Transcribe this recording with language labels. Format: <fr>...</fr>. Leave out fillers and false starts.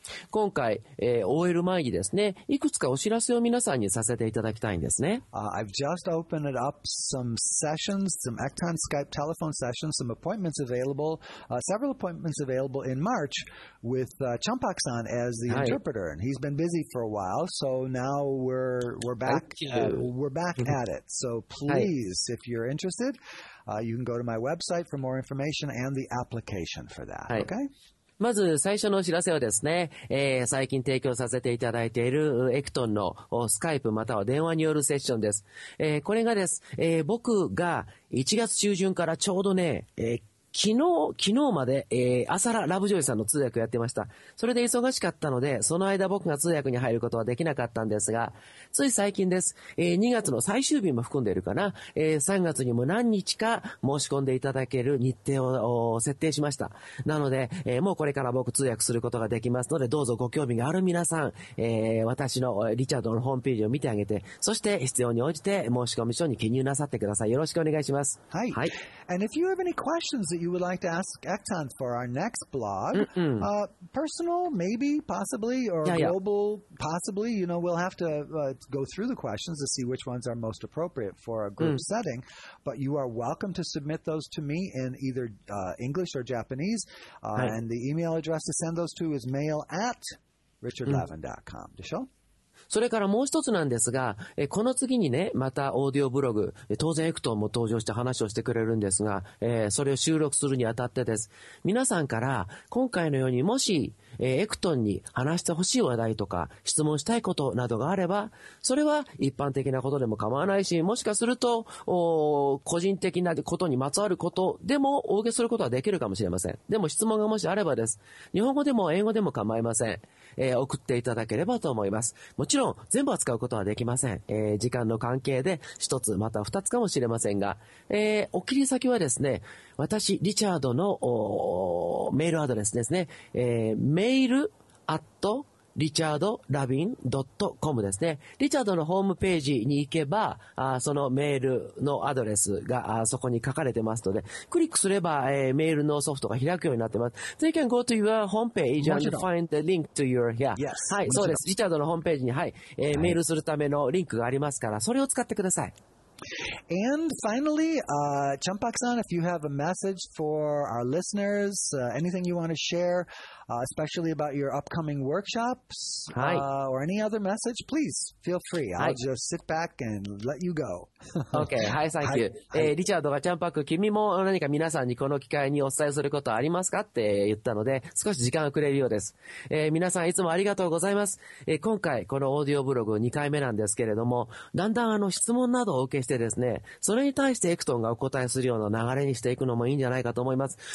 <ja>今回、OL 前にですね、いくつかお知らせを皆さんにさせていただきたいんですね。</ja> <en>I've just opened up some sessions, some Ecton Skype telephone sessions, some appointments available, several appointments available in March with Champak-san as the interpreter. And he's been busy for a while, so now we're back at it. So please, if you're interested, you can go to my website for more information and the application for that. Okay?</en> <ja>まず最初のお知らせはですね、最近提供させていただいているエクトンのスカイプまたは電話によるセッションです。これがです、僕が1月中旬からちょうどね、昨日まで、アサララブジョイさんの通訳やってました。それで忙しかったので、その間僕が通訳に入ることはできなかったんですが、つい最近です。 2月の最終日も含んでいるかな、3月にも何日か申し込んでいただける日程を設定しました。なので、もうこれから僕通訳することができますので、どうぞご興味がある皆さん、私のリチャードのホームページを見てあげて、そして必要に応じて申し込み書に記入なさってください。よろしくお願いします。はい。はい。</ja> <en>And if you have any questionsthat you would like to ask Ecton for our next blog, personal, maybe, possibly, or global, possibly, you know, we'll have to go through the questions to see which ones are most appropriate for a group setting, but you are welcome to submit those to me in either English or Japanese, and the email address to send those to is mail@richardlavin.com,</en> <ja>でしょ? それからもう一つなんですが、この次にね、またオーディオブログ、当然エクトンも登場して話をしてくれるんですが、それを収録するにあたってです。皆さんから今回のようにもし、エクトンに話してほしい話題とか質問したいことなどがあれば、それは一般的なことでも構わないし、もしかすると個人的なことにまつわることでもお受けすることはできるかもしれません。でも質問がもしあればです。日本語でも英語でも構いません。送っていただければと思います。もちろん全部扱うことはできません。時間の関係で一つまた二つかもしれませんが、お切り先はですね、私リチャードのメールアドレスですね、mail@richardlavin.com ですね。リチャードのホームページに行けば、そのメールのアドレスがそこに書かれてますので、クリックすれば、メールのソフトが開くようになってます。</ja> <en>So you can go to your homepage and find the link to your here. Yes.</en> <ja>はい、そうです。リチャードのホームページに、はい、メールするためのリンクがありますから、それを使ってください。</ja> <en>And finally, Champak-san, if you have a message for our listeners, anything you want to share, especially about your upcoming workshops, or any other message, please feel free. I'll just sit back and let you go. Okay. Hi, thank you.</en> <ja>リチャードがチャンパク、君も何か皆さんにこの機会にお伝えすることありますかって言ったので、少し時間をくれるようです。皆さんいつもありがとうございます。今回このオーディオブログ2回目なんですけれども、だんだん質問などを受けしてですね、それに対してエクトンがお答えするような流れにしていくのもいいんじゃないかと思います。</ja>